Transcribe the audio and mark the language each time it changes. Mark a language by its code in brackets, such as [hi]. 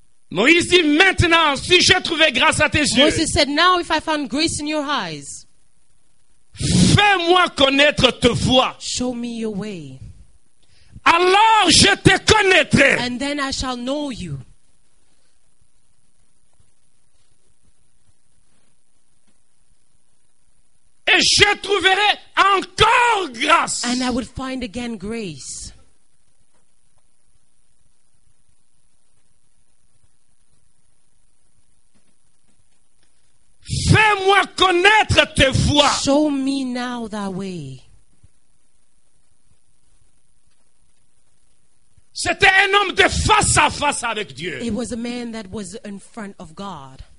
[fr] Moïse dit maintenant, si j'ai trouvé grâce à tes yeux. [en] Moses said, now if I found grace in your eyes. [fr] Fais-moi connaître ta voie. [en] Show me your way. [fr] Alors je te connaîtrai. [en] And then I shall know you. [fr] Et je trouverai encore grâce. [en] And I would find again grace. [fr] Fais-moi connaître tes voies. [en] Show me now thy way. [fr] C'était un homme de face à face avec Dieu. [en] It was a man that was in front of God.